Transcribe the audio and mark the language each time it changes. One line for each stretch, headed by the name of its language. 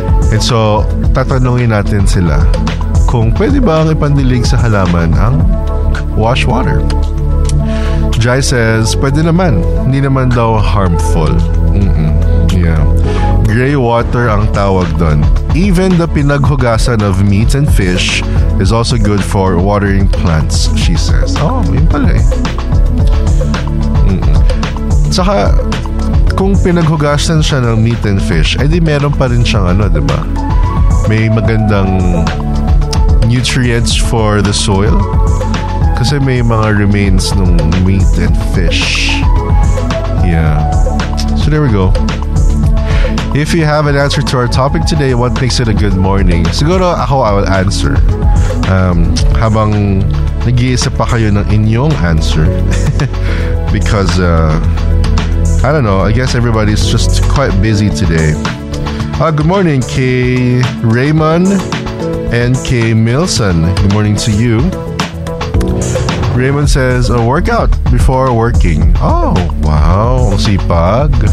Filipino: And so, tatanungin natin sila kung pwede ba ang ipandilig sa halaman ang wash water. Jai says, pwede naman. Hindi naman daw harmful. Mm-mm. Yeah. Gray water ang tawag doon.
English: Even the pinaghugasan of meat and fish is also good for watering plants, she says.
Filipino: Oh, yun pala eh. Mm-mm. Saka, kung pinaghugasan siya ng
English: meat and fish,
Filipino: edi meron pa rin siyang ano, diba? May magandang
English: nutrients for the soil.
Filipino: Kasi may mga remains ng
English: meat and fish.
Filipino: Yeah.
English: So there we go. If you have an answer to our topic today, what makes it a good morning?
Filipino: Siguro ako,
English: I will answer.
Filipino: Habang nag-iisip pa kayo ng inyong answer.
English: Because, I don't know, I guess everybody's just quite busy today. Good morning kay Raymond and kay Milson. Good morning to you. Raymond says, a workout before working. Oh, wow. Sipag.